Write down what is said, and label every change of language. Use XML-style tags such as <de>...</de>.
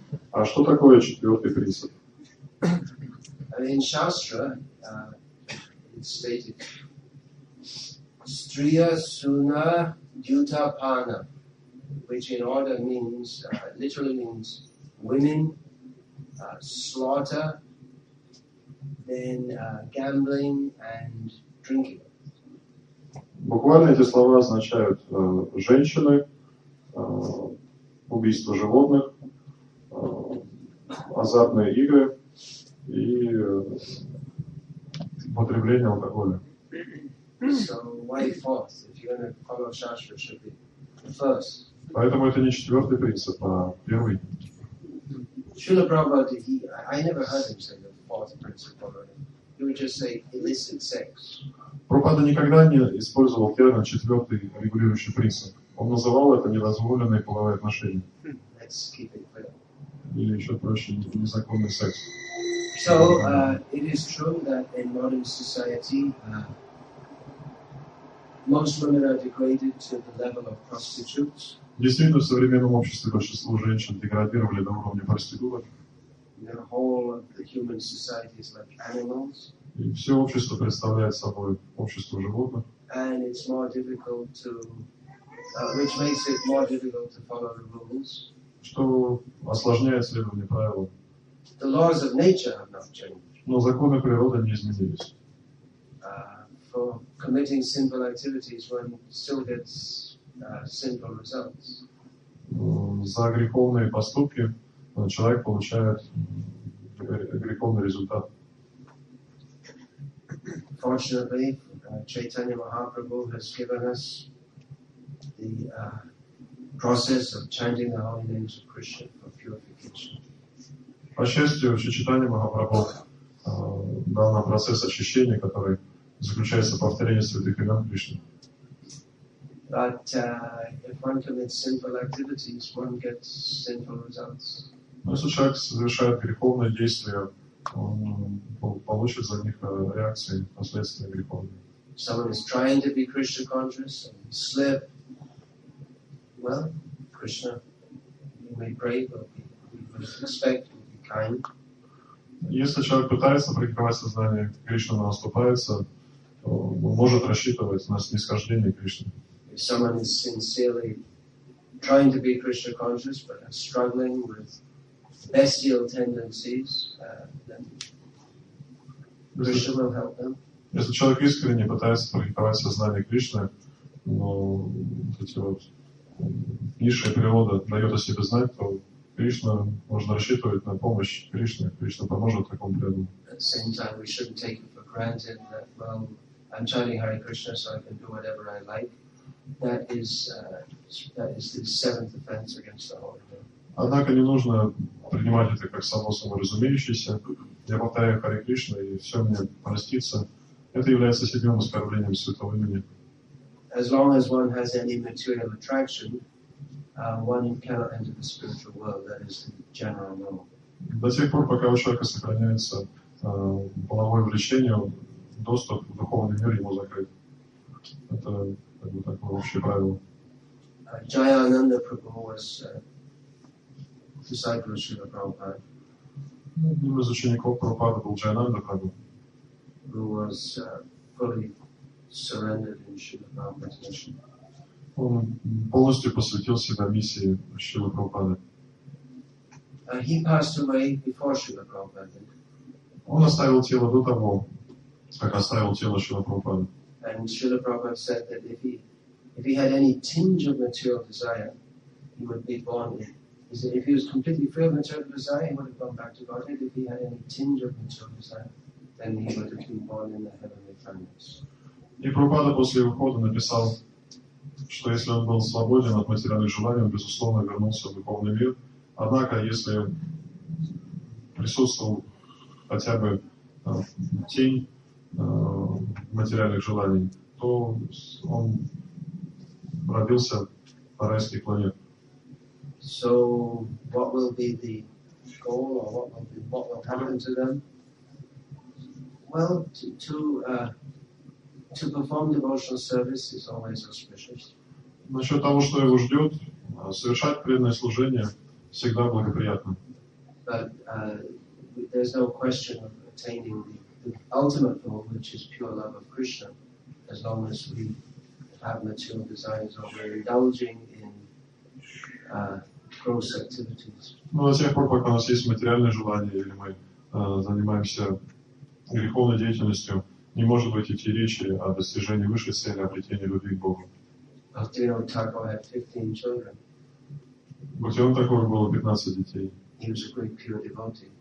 <ru>А что такое четвертый принцип?</ru> <en>In Shastra, it's stated,</en> <sa>Striya Suna Dhyuta Pana,</sa> <en>which in order means, literally means women, slaughter, then gambling and drinking.</en> <ru>Буквально эти слова означают женщины, убийство животных, азартные игры и употребление алкоголя.</ru> <en>So why fourth? If you're going to follow Shastra, should be first.</en> <ru>Поэтому это не четвертый принцип, а первый.</ru> <en>Srila Prabhupada, I never heard him say the fourth principle. He would just say illicit sex.</en> <ru>Прабхупада никогда не использовал термин четвертый регулирующий принцип. Он называл это недозволенные половые отношения.</ru> <en>Let's keep it clear.</en> <ru>Или еще проще, незаконный секс.</ru> <en>So, it is true that in modern society, most women are degraded to the level of prostitutes.</en> <ru>Действительно, в современном обществе большинство женщин деградировали до уровня проституток.</ru> <en>The whole of the human society is like animals.</en> <ru>И все общество представляет собой общество животных.</ru> <en>And it's more difficult to, which makes it more difficult to follow the rules.</en> <ru>Что осложняет следование правил.</ru> <en>The laws of nature have not changed.</en> <ru>Но законы природы не изменились.</ru> <en>For for committing sinful activities when still gets sinful results.</en> <ru>За греховные поступки человек получает греховный результат.</ru> <en>Fortunately, Chaitanya Mahaprabhu has given us the process of chanting the holy names of Krishna for purification.</en> <ru>По счастью, Чайтанья Махапрабху дал нам процесс очищения, который заключается в повторении святых имен Кришны.</ru> <en>But if one commits sinful activities, one gets sinful results.</en> <ru>Но если человек совершает греховные действия, он получит за них реакции, последствия греховные.</ru> <en>Someone is trying to be Krishna conscious and slip. Well, Krishna, you may pray, but we must respect, we be kind.</en> <ru>Если человек пытается прикрывать сознание, Кришна наступается, то может рассчитывать на снисхождение Кришны.</ru> <en>If someone is sincerely trying to be Krishna conscious, but is struggling with bestial tendencies, then Krishna will help them.</en> <ru>Если человек искренне пытается практиковать сознание Кришны, но эти вот низшая природа дает о себе знать, то Кришна, можно рассчитывать на помощь Кришны. Кришна поможет такому преданному.</ru> <en>At the same time, we shouldn't take it for granted that, well, I'm chanting Hare Krishna, so I can do whatever I like. That is the seventh offense against the Holy Name.</en> <ru>Однако не нужно принимать это как само собой разумеющееся. Я повторяю Харе Кришна, и все мне простится. Это является седьмым оскорблением святого имени.</ru> <en>As long as one has any material attraction, one cannot enter the spiritual world. That is the general law.</en> <ru>До тех пор, пока у человека сохраняется половое влечение, доступ в духовный мир ему закрыт. Это как бы такое общее правило.</ru> <en>Jayananda Prabhu was disciple of Srila Prabhupada.</en> <ru>Одним из учеников Прабхупады был Джайананда Прабху.</ru> <en>Who was fully surrendered in Srila Prabhupada's mission.</en> <ru>Он полностью посвятил себя миссии Шрилы Прабхупады.</ru> <en>He passed away before Srila Prabhupada.</en> <ru>Он оставил тело до того, как оставил тело Шрилы Прабхупады.</ru> <en>And Srila Prabhupada said that if he had any tinge of material desire, he would be born. He said if he was completely free of material desire, he would have gone back to Godhead. If he had any tinge of material desire, then he would have been born in the heavenly planets.</en> <ru>И Прабхупада после ухода написал, что если он был свободен от материальных желаний, он, безусловно, вернулся в духовный мир. Однако, если присутствовал хотя бы тень материальных желаний, то он родился на райских планетах.</ru> <en>So, what will be the goal, or what will happen to them? Well, to perform devotional service is always auspicious.</en> <ru>Насчет того, что его ждет, совершать преданное служение всегда благоприятно.</ru> <en>But there's no question of attaining the ultimate goal, which is pure love of Krishna, as long as we have material desires or we're indulging in gross activities.</en> <ru>Ну, до тех пор, пока у нас есть материальное желание, или мы занимаемся греховной деятельностью, не может быть идти речи о достижении высшей цели, обретении любви к Богу.</ru> <en>Bhakti Vinod Thakur had 15 children. He was a great pure devotee.</en>